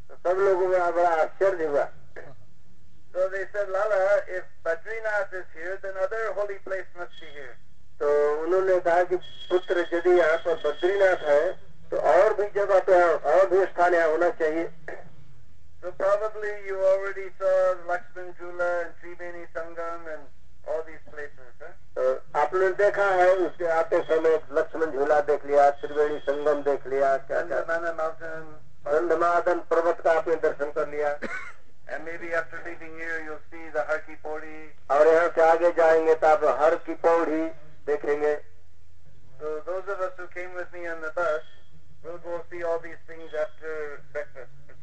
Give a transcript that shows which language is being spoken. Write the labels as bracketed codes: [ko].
[hi] सब लोगों में बड़ा आश्चर्य हुआ [en] so they said Lala if Badrinath is here then other holy place must be here [hi] तो उन्होंने कहा कि पुत्र यदि यहाँ पर बद्रीनाथ है तो और भी जगह तो और भी स्थान यहाँ होना चाहिए [en] So probably you already saw Lakshman Jula and Tribeni Sangam and all these places, huh? [hi] आपने देखा है उसके आते समय लक्ष्मण झूला देख लिया त्रिवेणी संगम देख लिया नंदमादन पर्वत का आपने दर्शन कर लिया [en] And maybe after leaving here you'll see the Har Ki Pauri. [hi] और यहाँ से आगे जाएंगे तो आप हर की पौड़ी देखेंगे [en] So those of us who came with me on the bus, we'll go see all these things after breakfast.